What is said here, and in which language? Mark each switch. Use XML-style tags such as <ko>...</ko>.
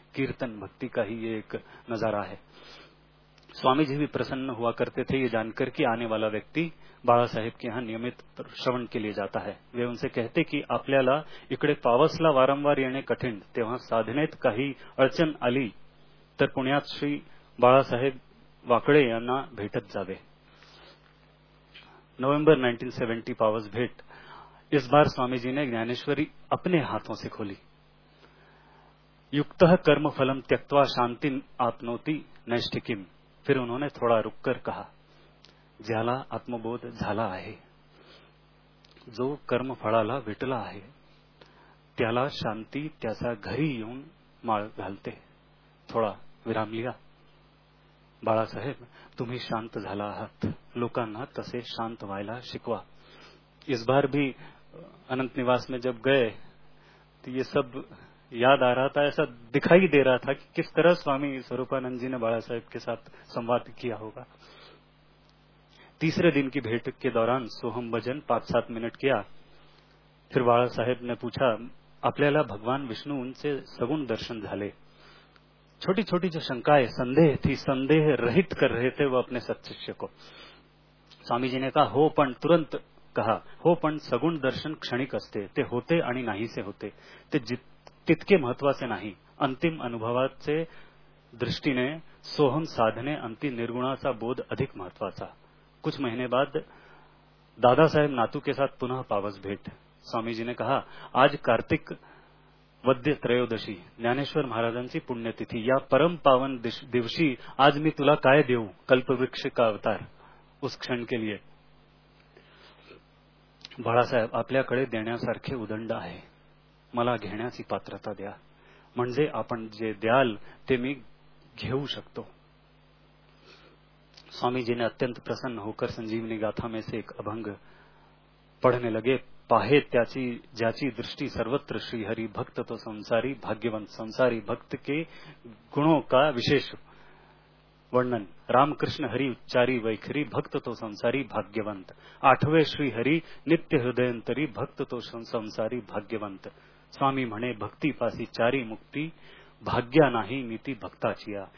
<hi>कीर्तन भक्ति का ही ये एक नजारा है। स्वामी जी भी प्रसन्न हुआ करते थे ये जानकर कि आने वाला व्यक्ति बाला साहेब के यहां नियमित श्रवण के लिए जाता है। वे उनसे कहते कि</hi> <mr>आपल्याला इकडे पावसला वारंवार येणे कठीण, तेव्हा साधनेत काही अडचण आली तर पुण्यात श्री बाळासाहेब वाकडे यांना भेटत जावे।</mr> <hi>नोव्हेंबर 1970 पावस भेट इस बार स्वामी जी ने ज्ञानेश्वरी अपने हाथों से खोली।</hi> <sa>युक्तः कर्म फलम त्यक्त्वा शांतिम आपनोति नैष्ठिकीम,</sa> <hi>फिर उन्होंने थोड़ा रुककर कहा,</hi> <mr>ज्याला आत्मबोध झाला आहे, जो कर्म फळाला विटला आहे, त्याला शांती त्याचा घरी येऊन माळ घालते।</mr> <hi>थोड़ा विराम लिया।</hi> <mr>बाळासाहेब तुम्ही शांत झाला आहात, लोकांना तसे शांत व्हायला शिकवा।</mr> <hi>इस बार भी अनंत निवास में जब गए तो ये सब याद आ रहा था, ऐसा दिखाई दे रहा था कि किस तरह स्वामी स्वरूपानंद जी ने बाला साहेब के साथ संवाद किया होगा। तीसरे दिन की भेंट के दौरान सोहम भजन 5-7 मिनट किया। फिर बाला साहेब ने पूछा, आपल्याला भगवान विष्णु उनसे सगुण दर्शन झाले, छोटी छोटी जो शंकाएं संदेह थी संदेह रहित कर रहे थे वो अपने सत्शिष्य को। स्वामी जी ने कहा,</hi> <mr>हो पण,</mr> <hi>तुरंत कहा,</hi> <mr>हो पण सगुण दर्शन क्षणिक असते, ते होते आणि नाहीसे होते, ते तितके महत्वाचे नाही, अंतिम अनुभवाचे दृष्टीने सोहम साधने अंतिम निर्गुणाचा बोध अधिक महत्वाचा।</mr> <hi>कुछ महीने बाद दादासाहेब नातू के साथ पुनः पावस भेट। स्वामी जी ने कहा,</hi> <mr>आज कार्तिक वद्य त्रयोदशी ज्ञानेश्वर महाराजांची पुण्यतिथी, या परम पावन दिवशी आज मी तुला काय देऊ,</mr> <hi>कल्पवृक्ष का अवतार, उस क्षण के लिए।</hi> <mr>बाळासाहेब आपल्याकडे देण्यासारखे उदंड आहे, मला घेण्याची पात्रता द्या, म्हणजे आपण जे द्याल ते मी घेऊ शकतो।</mr> <hi>स्वामीजीने अत्यंत प्रसन्न होकर संजीवनी गाथा में से एक अभंग पढ़ने लगे,</hi> <mr>पाहे त्याची ज्याची दृष्टि सर्वत्र श्री हरि, भक्त तो संसारी भाग्यवंत,</mr> <hi>संसारी भक्त के गुणों का विशेष वर्णन,</hi> <mr>रामकृष्ण हरि उच्चारी वैखरी, भक्त तो संसारी भाग्यवंत, आठवें श्री हरि नित्य हृदयंतरी, भक्त तो संसारी भाग्यवंत, स्वामी मणे भक्ति पासी चारी मुक्ति, भाग्या नाही नीति भक्ताचिया।</mr>